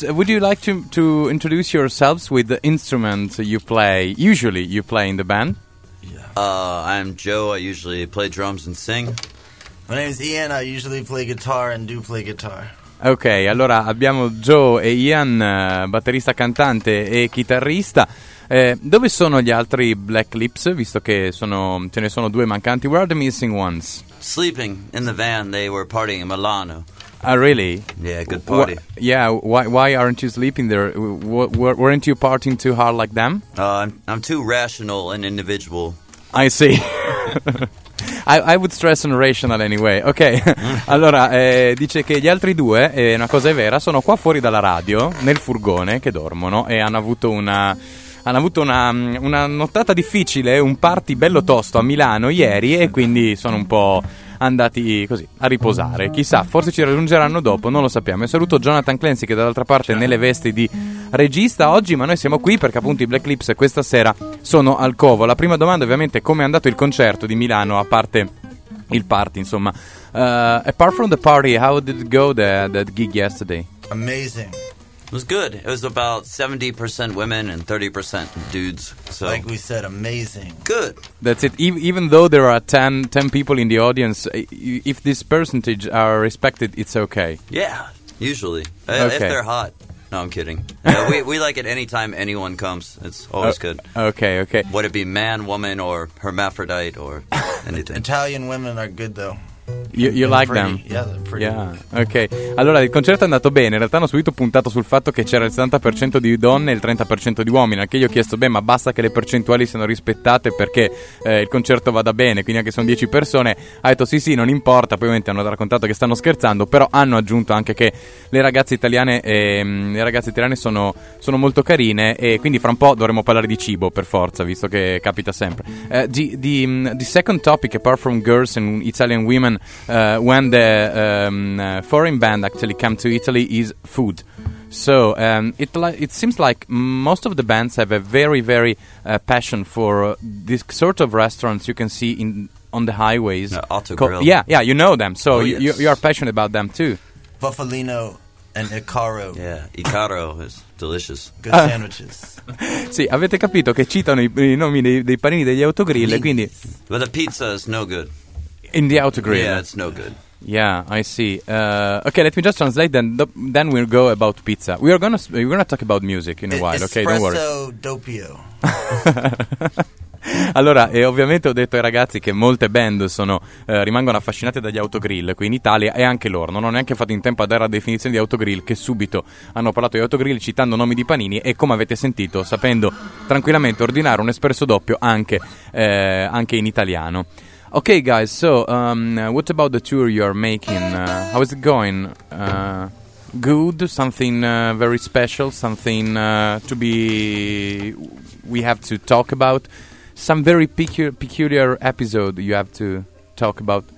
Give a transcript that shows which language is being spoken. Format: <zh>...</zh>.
<en>Would you like to introduce yourselves with the instruments you play? Usually you play in the band. Yeah. I'm Joe, I usually play drums and sing. My name is Ian, I usually play guitar and do play guitar.</en> <it>Ok, allora abbiamo Joe e Ian, batterista, cantante e chitarrista. Dove sono gli altri Black Lips, visto che sono, ce ne sono due mancanti?</it> <en>Where are the missing ones? Sleeping in the van, they were partying in Milano. Ah, really? Yeah, good party. Why aren't you sleeping there? Weren't you partying too hard like them? I'm too rational an individual. I see. I would stress on rational anyway.</en> <it>Ok, allora dice che gli altri due, una cosa è vera, sono qua fuori dalla radio, nel furgone, che dormono e hanno avuto una nottata difficile, un party bello tosto a Milano ieri, e quindi sono un po' andati così a riposare. Chissà, forse ci raggiungeranno dopo, non lo sappiamo. E saluto Jonathan Clancy, che dall'altra parte è nelle vesti di regista oggi, ma noi siamo qui perché appunto i Black Lips questa sera sono al Covo. La prima domanda ovviamente è: come è andato il concerto di Milano, a parte il party, insomma?</it> <en>Apart from the party, how did it go, that gig yesterday? Amazing. It was good. It was about 70% women and 30% dudes. So, like we said, amazing. Good. That's it. Even though there are 10 people in the audience, if this percentage are respected, it's okay. Yeah, usually. Okay. If they're hot. No, I'm kidding. we like it anytime anyone comes. It's always good. Okay, okay. Would it be man, woman, or hermaphrodite, or anything? Italian women are good, though. You like pretty. Them? Yeah, they're pretty. Yeah. Ok, allora il concerto è andato bene. In realtà hanno subito puntato sul fatto che c'era il 70% di donne e il 30% di uomini. Anche io ho chiesto: beh, ma basta che le percentuali siano rispettate perché il concerto vada bene, quindi anche se sono 10 persone. Ha detto sì, non importa. Poi ovviamente hanno raccontato che stanno scherzando, però hanno aggiunto anche che le ragazze italiane sono molto carine, e quindi fra un po' dovremo parlare di cibo per forza, visto che capita sempre. The second topic, apart from girls and Italian women, when the foreign band actually came to Italy, is food. So it seems like most of the bands have a very, very passion for this sort of restaurants you can see on the highways. Autogrill. Yeah, you know them. So you are passionate about them too. Buffalino and Icaro. Yeah, Icaro is delicious. Good sandwiches.</en> <it>Sì, avete capito che citano i nomi dei panini degli autogrill, quindi...</it> <en>But the pizza is no good. In the outer grid. Yeah, it's no good. Yeah, I see. Okay, let me just translate, then we'll go about pizza. We're gonna talk about music in a while, okay? Don't worry.</en> <it>Espresso doppio. Allora, e ovviamente ho detto ai ragazzi che molte band rimangono affascinate dagli autogrill qui in Italia, e anche loro. Non ho neanche fatto in tempo a dare la definizione di autogrill, che subito hanno parlato di autogrill citando nomi di panini, e come avete sentito, sapendo tranquillamente ordinare un espresso doppio anche in italiano.</it> <en>Okay, guys, so what about the tour you're making? How is it going? Good? Something very special? Something to be... we have to talk about? Some very peculiar episode you have to talk about?</en>